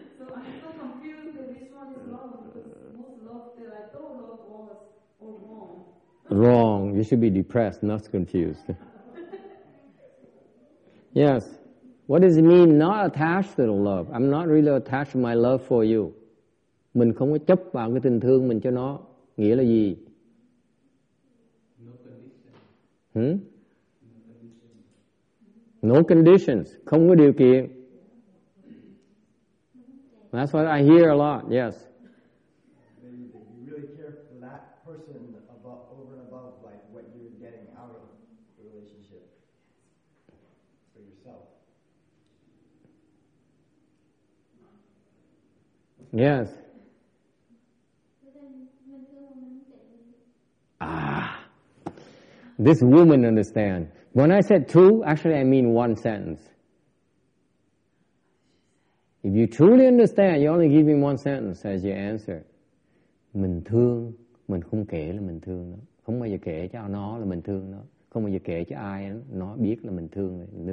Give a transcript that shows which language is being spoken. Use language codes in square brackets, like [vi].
[en] So I'm so confused that which one is love, because most love that I thought love was all wrong. Wrong. You should be depressed, not confused. Yes. What does it mean not attached to the love? I'm not really attached to my love for you. [vi] Mình không có chấp vào cái tình thương mình cho nó. Nghĩa là gì? [en] No conditions. Hmm? No conditions. [vi] Không có điều kiện. [en] That's what I hear a lot, yes. You really care for that person above, over and above like what you're getting out of the relationship for yourself. Yes. This woman understand. When I said two, actually I mean one sentence. If you truly understand, you only give me one sentence as your answer. [vi] Mình thương, mình không kể là mình thương nó. Không bao giờ kể cho nó là mình thương nó. Không bao giờ kể cho ai nó biết là mình thương nó.